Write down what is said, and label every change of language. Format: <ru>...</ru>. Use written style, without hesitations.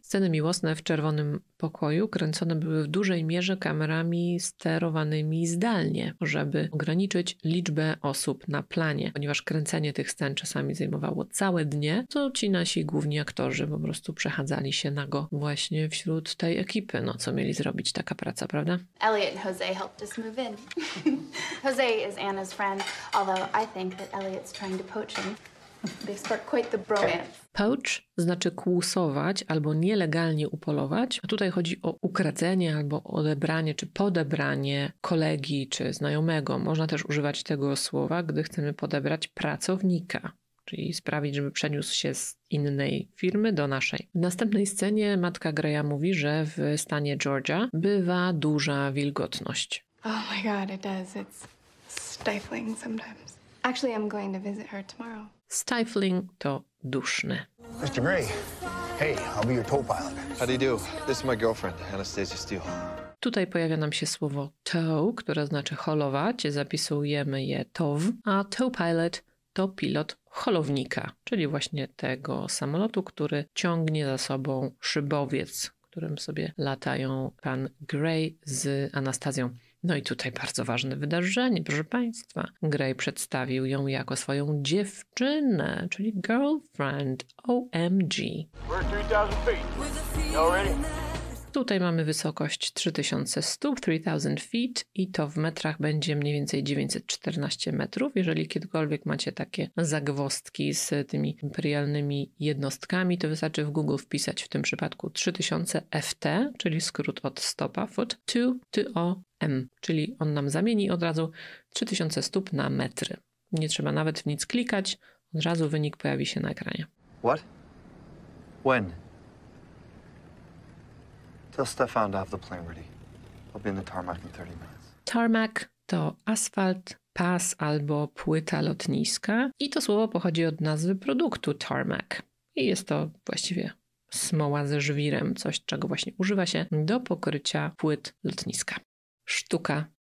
<pl>Sceny miłosne w czerwonym pokoju kręcone były w dużej mierze kamerami sterowanymi zdalnie, żeby ograniczyć liczbę osób na planie, ponieważ kręcenie tych scen czasami zajmowało całe dnie, to ci nasi główni aktorzy po prostu przechadzali się nago właśnie wśród tej ekipy. No, co mieli zrobić, taka praca, prawda?</pl> <en>Elliot and Jose helped us move in. Jose is Anna's friend, although I think that Elliot's trying to poach him. They spark quite the bromance.</en> <pl>Poach znaczy kłusować albo nielegalnie upolować, a tutaj chodzi o ukradzenie albo odebranie czy podebranie kolegi czy znajomego. Można też używać tego słowa, gdy chcemy podebrać pracownika, czyli sprawić, żeby przeniósł się z innej firmy do naszej. W następnej scenie matka Greya mówi, że w stanie Georgia bywa duża wilgotność.</pl> <en>Oh my god, it does. It's stifling sometimes. Actually, I'm going to visit her tomorrow.</en> <pl>Stifling to duszne.</pl> <en>Mr. Gray, hey, I'll be your co-pilot. How do you do? This is my girlfriend, Anastasia Steele.</en> <pl>Tutaj pojawia nam się słowo tow, które znaczy holować. Zapisujemy je tow, a co-pilot to pilot holownika, czyli właśnie tego samolotu, który ciągnie za sobą szybowiec, którym sobie latają pan Gray z Anastazją. No i tutaj bardzo ważne wydarzenie, proszę Państwa. Gray przedstawił ją jako swoją dziewczynę, czyli girlfriend.</pl> <en>OMG. We're 3,000 feet. Y'all ready?</en> <pl>Tutaj mamy wysokość 3000 stóp, 3000 feet, i to w metrach będzie mniej więcej 914 metrów. Jeżeli kiedykolwiek macie takie zagwostki z tymi imperialnymi jednostkami, to wystarczy w Google wpisać w tym przypadku 3000 FT, czyli skrót od stopa, foot, 2TOM, czyli on nam zamieni od razu 3000 stóp na metry. Nie trzeba nawet w nic klikać, od razu wynik pojawi się na ekranie.</pl> <en>What? When? Tell Stefan to have the plane ready. I'll be in the tarmac in 30 minutes.</en> <pl>Tarmac to asfalt, pas albo płyta lotniska. I to słowo pochodzi od nazwy produktu tarmac. I jest to właściwie smoła ze żwirem, coś czego właśnie używa się do pokrycia płyt lotniska. Sztuka.</pl>